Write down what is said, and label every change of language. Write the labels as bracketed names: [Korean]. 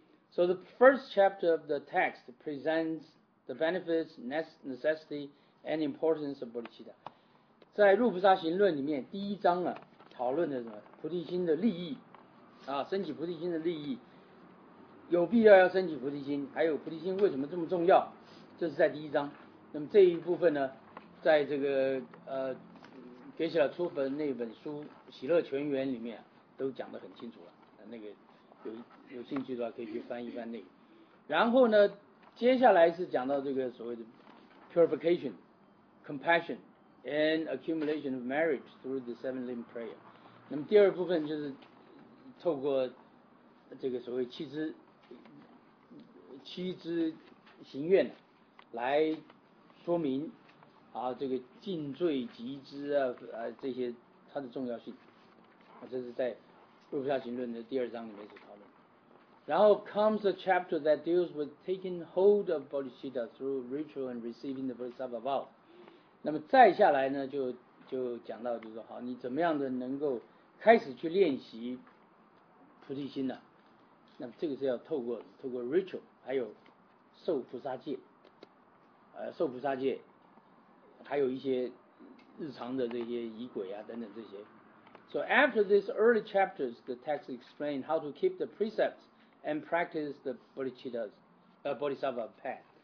[English] So the first chapter of the text presents the benefits, necessity and importance of bodhicitta. [Chinese] 在入菩萨行论里面第一章啊讨论的什么菩提心的利益啊，升起菩提心的利益，有必要要升起菩提心，还有菩提心为什么这么重要，这是在第一章。那么这一部分呢在这个给起了出版那本书喜乐全缘里面、啊、都讲得很清楚了，那个有兴趣的话可以去翻一翻那个。然后呢接下来是讲到这个所谓的 [English] purification, compassion and accumulation of merit through the seven limb prayer。 [Chinese] 那么第二部分就是透过这个所谓七支行愿来说明啊，这个尽罪集资啊这些它的重要性啊，这是在入菩萨行论的第二章里面是讨论。然后 [English] comes a chapter that deals with taking hold of bodhicitta through ritual and receiving the bodhisattva vow。 [Chinese] 那么再下来呢就讲到，就是说好，你怎么样的能够开始去练习菩提心呢、啊、那么这个是要透过 ritual， 还有受菩萨戒，受菩萨戒，还有一些日常的这些仪轨啊等等这些。 [English] So after these early chapters, the text explains how to keep the precepts and practice the bodhicitta's, bodhisattva path.